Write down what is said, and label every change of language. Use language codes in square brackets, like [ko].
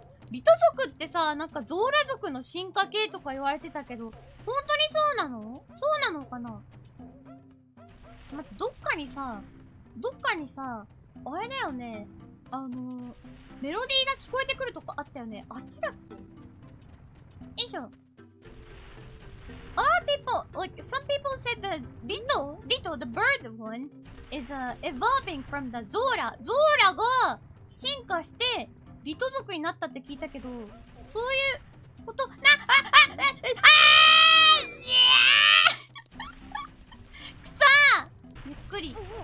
[ja] リト族ってさ、なんかゾーラ族の進化系とか言われてたけど、本当にそうなの？そうなのかな？待って、どっかにさ、あれだよね、メロディーが聞こえてくるとこあったよね。あっちだっけ？よいしょ。 [en] Our people, like, some people said that Little, the bird one, is, evolving from the Zora. [ja] Zora が進化して、リト族になったって聞いたけど、そういうこと、な、あ、あ、あ、あ、あ、いやくそーゆっくり。